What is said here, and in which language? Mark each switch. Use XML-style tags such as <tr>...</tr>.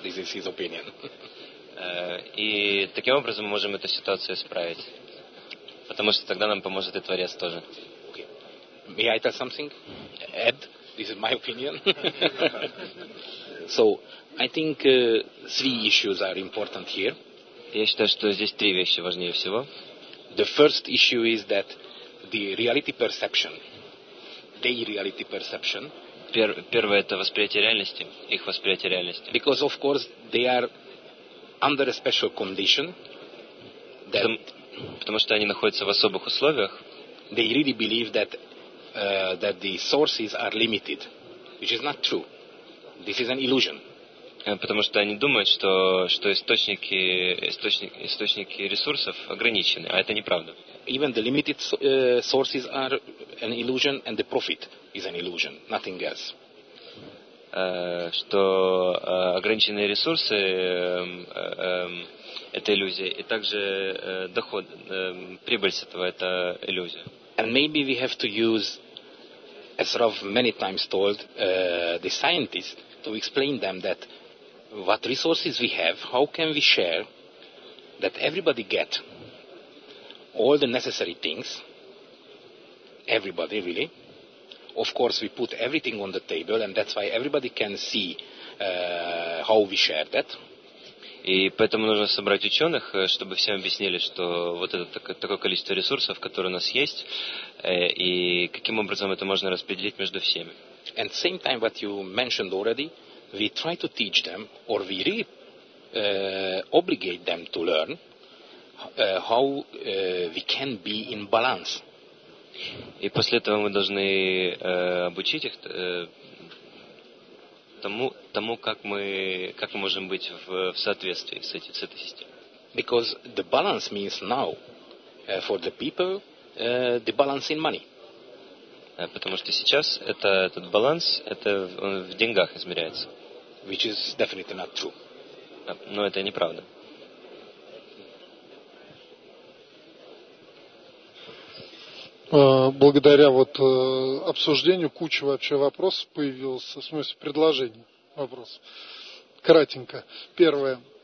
<en>This is his opinion.</en> <ru>И таким образом мы можем эту ситуацию исправить. Потому что тогда нам поможет и Творец тоже.</ru> <en>Okay. May I tell something? Ed, this is my opinion. So, I think three issues are important here.</en> <ru>Я считаю, что здесь три вещи важнее всего.</ru> <en>The first issue is that the reality perception, their reality perception,</en> <ru>первое это восприятие реальности, их восприятие реальности.</ru> <en>Because, of course, they are under a special condition, that</en> <ru>потому что они находятся в особых условиях,</ru> <en>they really believe that that the sources are limited, which is not true. This is an illusion.</en> <ru>Потому что они думают, что источники ресурсов ограничены, а это неправда.</ru> <en>Even the limited sources are an illusion, and the profit is an illusion, nothing else.</en> <ru>Что ограниченные ресурсы это иллюзия, и также доход, прибыль с этого это иллюзия.</ru> <en>And maybe we have to use, as Rav many times told, the scientists to explain them that what resources we have, how can we share that everybody get all the necessary things, everybody really. Of course, we put everything on the table, and that's why everybody can see how we share that.</en> <ru>И поэтому нужно собрать ученых, чтобы всем объяснили, что вот это такое количество ресурсов, которые у нас есть, и каким образом это можно распределить между всеми.</ru> <en>And same time, what you mentioned already, we try to teach them, or we really obligate them to learn how we can be in balance.</en> <ru>И после этого мы должны обучить их тому, как мы можем быть в соответствии с этой системой.</ru> <en>Because the balance means now for the people the balance in money.</en> <ru>Потому что сейчас этот баланс он в деньгах измеряется.</ru> <en>Which is definitely not true.</en> <ru>Но это неправда. Благодаря вот обсуждению куча вообще вопросов появилось, в смысле предложений, вопрос. Кратенько. Первое.</ru>